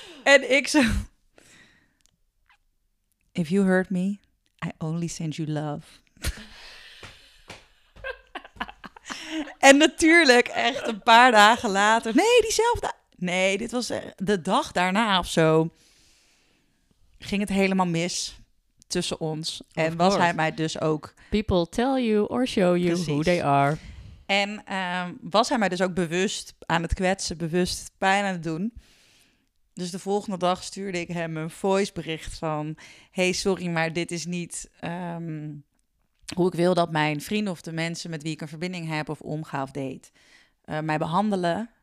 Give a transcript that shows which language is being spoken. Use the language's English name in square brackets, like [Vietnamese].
[Dutch] En ik zo, [English] if you hurt me, I only send you love. [Dutch] En natuurlijk, echt een paar dagen later. Nee, diezelfde. Nee, dit was de dag daarna of zo. Ging het helemaal mis tussen ons. En was hij mij dus ook, [English] people tell you or show you, [Dutch] precies, [English] who they are. [Dutch] En was hij mij dus ook bewust aan het kwetsen, bewust pijn aan het doen. Dus de volgende dag stuurde ik hem een voicebericht van, hey, sorry, maar dit is niet hoe ik wil dat mijn vrienden of de mensen met wie ik een verbinding heb of omga of date mij behandelen.